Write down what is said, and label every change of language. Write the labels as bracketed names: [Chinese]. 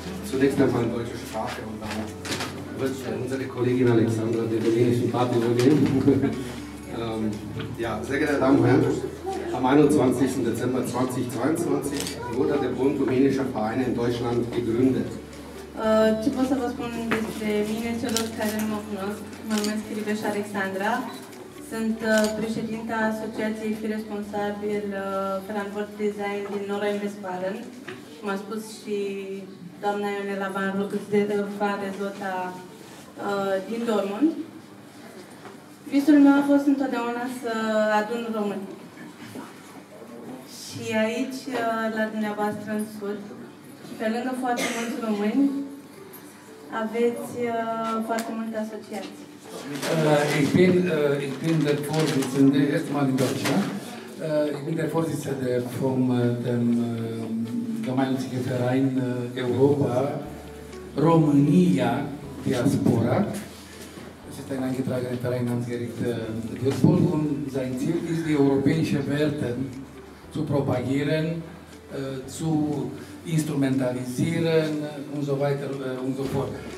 [German] Zunächst einmal in deutscher Sprache und dann wird unsere Kollegin Alexandra den rumänischen Part übernehmen. Ja, sehr geehrte Damen und Herren, am 21. Dezember 2022 wurde der Bund rumänischer Vereine in Deutschland gegründet. [Romanian] Ce pot să vă spun despre mine, celor care nu mă cunosc? Mă numesc Chiribeș Alexandra. Sunt președinta Asociației Fii Responsabil Frankfurt Design din Nordrhein-Westfalen. Cum a spus și doamna Ionela Van Rutus de Rezota din Dortmund. Visul meu a fost întotdeauna să adun români. Și aici, la dumneavoastră în sud, pe lângă foarte mulți români, aveți foarte multe asociații. [German] Ich bin der Vorsitzende, erstmal in Deutschland. Ich bin der Vorsitzende vom dem gemeinnützigen Verein Europa România Diaspora. Ein eingetragener Verein namens Gericht Würzburg und sein Ziel ist, die europäischen Werte zu propagieren, zu instrumentalisieren und so weiter und so fort.